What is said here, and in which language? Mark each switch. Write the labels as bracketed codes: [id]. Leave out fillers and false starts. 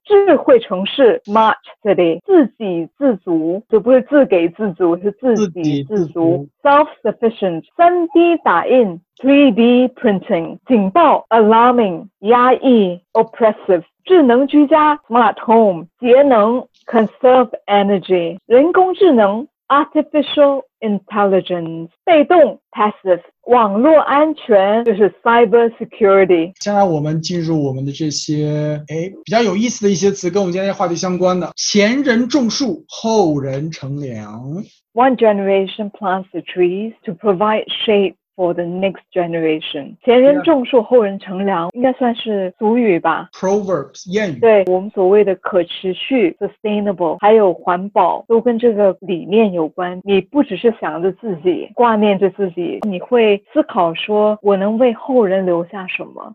[zh] 智慧城市 smart city， 自给自足，这不是自给自足，是自给自 足 self-sufficient， 3D 打印 3D printing， 警报 alarming， 压抑 oppressive， 智能居家 smart home， 节能 conserve energy， 人工智能artificial intelligence， 被动 passive， 网络安全就是 cyber security。现在我们进入我们的这些比较有意思的一些词，跟我们今天话题相关的。前人种树，后人乘凉。 [en] One generation plants the trees to provide shade for the next generation. [zh] 前人种树，后人乘凉，应该算是俗语吧。 Proverbs, 谚语。对，我们所谓的可持续 sustainable, 还有环保，都跟这个理念有关。你不只是想着自己，挂念着自己，你会思考说我能为后人留下什么。